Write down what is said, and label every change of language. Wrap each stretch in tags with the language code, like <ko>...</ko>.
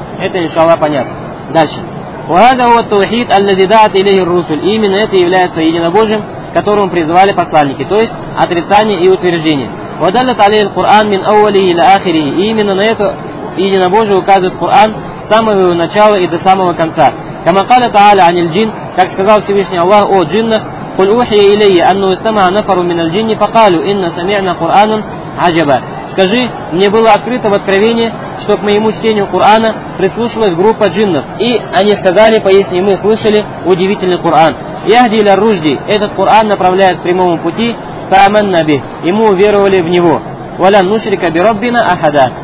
<ru>Это, иншаллах, понятно. Дальше.</ru> <ar>Вахадаву ат-таухид аллази даат илейхи ар-русул.</ar> <ru>Именно это является единобожием, которому призывали посланники. То есть, отрицание и утверждение.</ru> <ar>Вадаллат алейхи ар-Куран мин ауалихи иля ахирихи.</ar> <ru>Именно на это единобожие указывает Куран с самого его начала и до самого конца.</ru> <ar>Камакаля та'аля аниль джин.</ar> <ru>Как сказал Всевышний Аллах о джиннах,</ru> <ar>قل أوحي إلي أنه استمع نفر من الجن فقالوا إن سمعنا قرآنا عجبا.</ar> <ru>Скажи, мне было открыто в откровении, что к моему чтению Корана прислушивалась группа джиннов, и они сказали, поистине мы слышали удивительный Коран.</ru> <ar>يهدي إلى الرشد.</ar> <ru>Этот Коран направляет к прямому пути.</ru> <ar>فآمنا به.</ar> <ru>И мы уверовали в него.</ru> <ar>ولن نشرك بربنا أحدا.</ar>